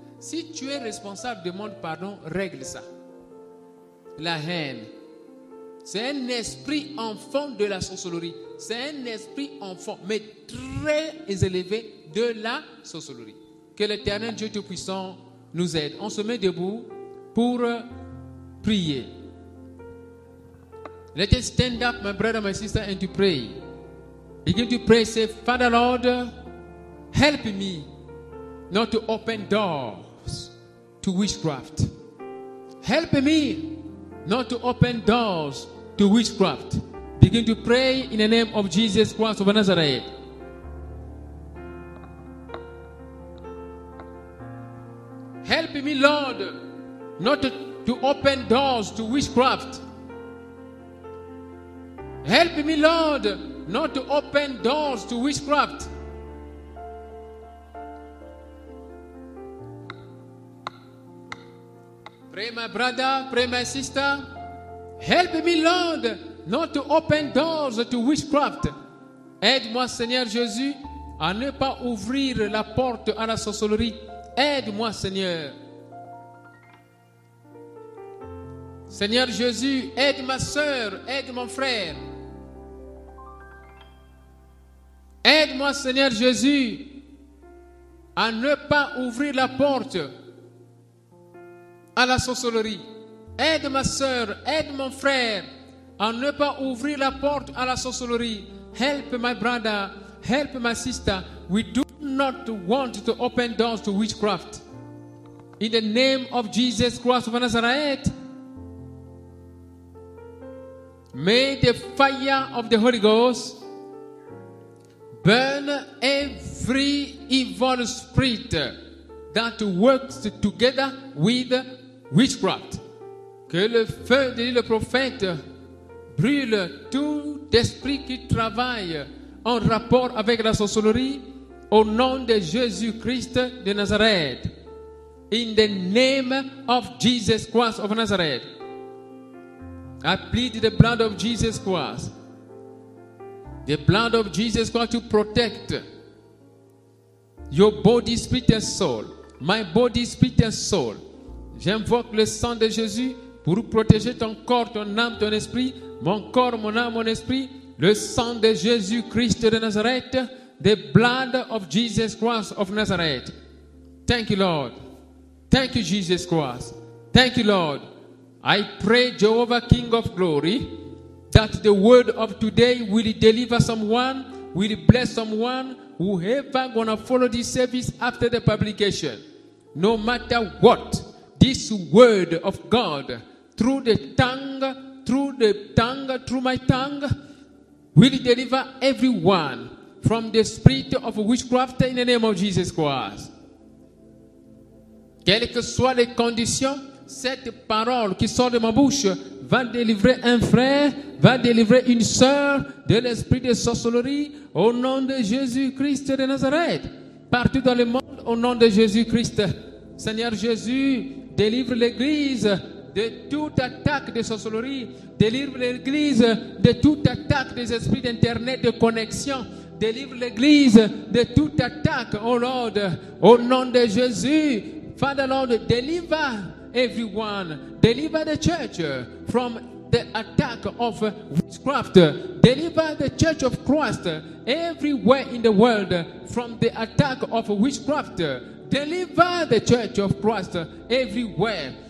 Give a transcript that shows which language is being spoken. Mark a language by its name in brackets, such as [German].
[French] Si tu es responsable, demande pardon, règle ça. La haine, c'est un esprit enfant de la sorcellerie. C'est un esprit enfant, mais très élevé de la sorcellerie. Que l'Éternel Dieu Tout-Puissant nous aide. On se met debout pour prier. [English] Let us stand up, my brother, my sister, and to pray. Begin to pray, say, Father Lord, help me not to open doors to witchcraft. Help me not to open doors to witchcraft. Begin to pray in the name of Jesus Christ of Nazareth. Help me, Lord, not to open doors to witchcraft. Help me, Lord, not to open doors to witchcraft. Pray, my brother, pray, my sister. Help me, Lord, not to open doors to witchcraft. [French] Aide-moi, Seigneur Jésus, à ne pas ouvrir la porte à la sorcellerie. Aide-moi, Seigneur. Seigneur Jésus, aide ma soeur, aide mon frère. Aide-moi, Seigneur Jésus, à ne pas ouvrir la porte à la sorcellerie. Aide ma soeur, aide mon frère, à ne pas ouvrir la porte à la sorcellerie. [English] Help my brother, help my sister. We do not want to open doors to witchcraft. In the name of Jesus Christ of Nazareth, may the fire of the Holy Ghost burn every evil spirit that works together with witchcraft. [French] Que le feu, dit le prophète, brûle tout esprit qui travaille en rapport avec la sorcellerie au nom de Jésus-Christ de Nazareth. [English] In the name of Jesus Christ of Nazareth. I plead the blood of Jesus Christ. The blood of Jesus Christ to protect Your body, spirit and soul. My body, spirit and soul. [French] J'invoque le sang de Jésus pour protéger ton corps, ton âme, ton esprit. Mon corps, mon âme, mon esprit. Le sang de Jésus Christ de Nazareth. [English] The blood of Jesus Christ of Nazareth. Thank you, Lord. Thank you, Jesus Christ. Thank you, Lord. I pray, Jehovah, King of Glory, that the word of today will deliver someone, will bless someone, whoever gonna follow this service after the publication. No matter what, this word of God, through my tongue, will deliver everyone from the spirit of witchcraft in the name of Jesus Christ. [French] Quelles que soient les conditions, cette parole qui sort de ma bouche va délivrer un frère, va délivrer une sœur de l'esprit de sorcellerie au nom de Jésus-Christ de Nazareth. Partout dans le monde, au nom de Jésus-Christ. Seigneur Jésus, délivre l'Église de toute attaque de sorcellerie. Délivre l'Église de toute attaque des esprits d'Internet, de connexion. Délivre l'Église de toute attaque, [English] oh Lord, [French] au nom de Jésus. [English] Father Lord, deliver everyone, deliver the church from the attack of witchcraft. Deliver the church of Christ everywhere in the world from the attack of witchcraft. Deliver the church of Christ everywhere.